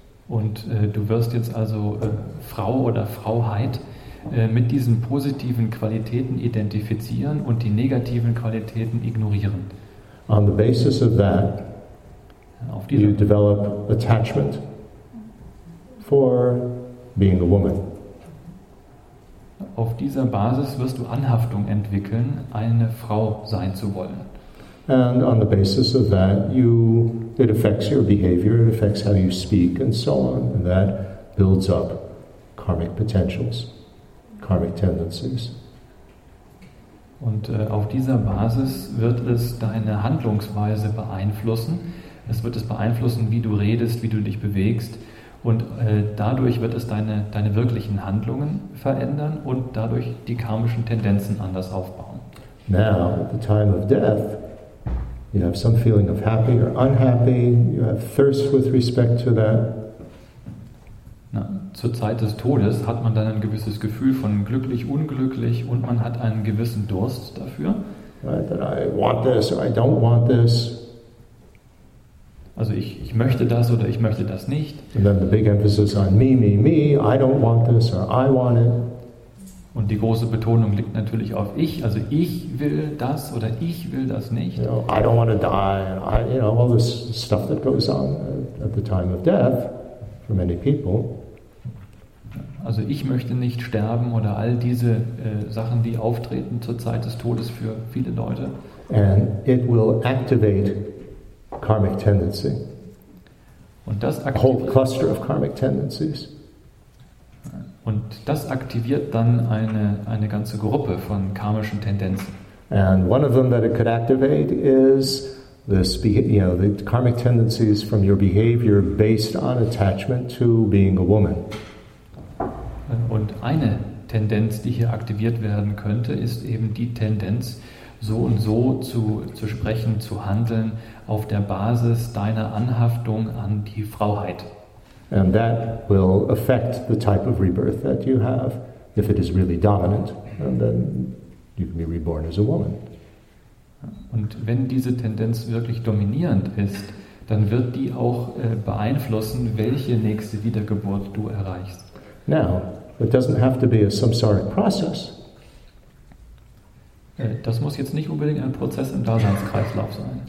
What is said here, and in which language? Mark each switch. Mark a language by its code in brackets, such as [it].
[de] Und du wirst jetzt also Frau oder Frauheit mit diesen positiven Qualitäten identifizieren und die negativen Qualitäten ignorieren. [en] On the basis of that, you develop attachment for being a woman. [de] Auf dieser Basis wirst du Anhaftung entwickeln, eine Frau sein zu wollen. [en] And on the basis of that, it affects your behavior, it affects how you speak and so on, and that builds up karmic potentials, karmic tendencies. [de] Und auf dieser Basis wird es deine Handlungsweise beeinflussen. Es wird es beeinflussen, wie du redest, wie du dich bewegst. Und dadurch wird es deine wirklichen Handlungen verändern und dadurch die karmischen Tendenzen anders aufbauen. [en] Now, at the time of death, you have some feeling of happy or unhappy, you have thirst with respect to that. [de] Na, zur Zeit des Todes hat man dann ein gewisses Gefühl von glücklich, unglücklich und man hat einen gewissen Durst dafür. [en] Right, that I want this or I don't want this. [de] Also ich möchte das oder ich möchte das nicht. [en] And then the big emphasis on me, me, me, I don't want this or I want it. [de] Und die große Betonung liegt natürlich auf ich, also ich will das oder ich will das nicht. [en] You know, I don't want to die, all this stuff that goes on at the time of death for many people. [de] Also ich möchte nicht sterben oder all diese Sachen, die auftreten zur Zeit des Todes für viele Leute. [en] And it will activate karmic tendency. [de] Und das aktiviert, [en] a whole cluster of karmic tendencies. [de] Und das aktiviert dann eine ganze Gruppe von karmischen Tendenzen. [en] And one of them that it could activate is this, the karmic tendencies from your behavior based on attachment to being a woman. [de] Und eine Tendenz, die hier aktiviert werden könnte, ist eben die Tendenz, so und so zu sprechen, zu handeln, auf der Basis deiner Anhaftung an die Frauheit. [en] And that will affect the type of rebirth that you have, if it is really dominant, and then you can be reborn as a woman. [de] Und wenn diese Tendenz wirklich dominierend ist, dann wird die auch beeinflussen, welche nächste Wiedergeburt du erreichst. [en] Now, it doesn't have to be a samsaric process. [de] Das muss jetzt nicht unbedingt ein Prozess im Daseinskreislauf sein.